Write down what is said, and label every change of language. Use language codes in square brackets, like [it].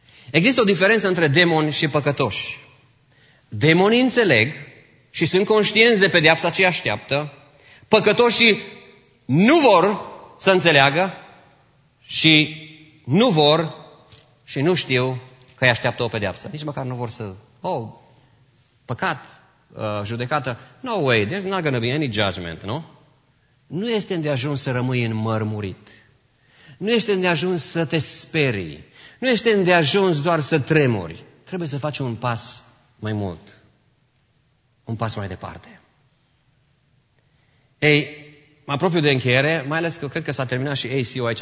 [ro] Există o diferență între demoni și păcătoși. Demonii înțeleg și sunt conștienți de pedeapsa ce așteaptă. Păcătoșii nu vor să înțeleagă și nu vor și nu știu că îi așteaptă o pedeapsă. Nici măcar nu vor să... Oh, păcat, judecată. [en] No way, there's not gonna be any judgment, nu? [ro] Nu este îndeajuns să rămâi înmărmurit. Nu este îndeajuns să te sperii. Nu este îndeajuns doar să tremuri. Trebuie să faci un pas mai mult. Un pas mai departe. Ei, mă apropiu de încheiere, mai ales că cred că s-a terminat și ACU aici.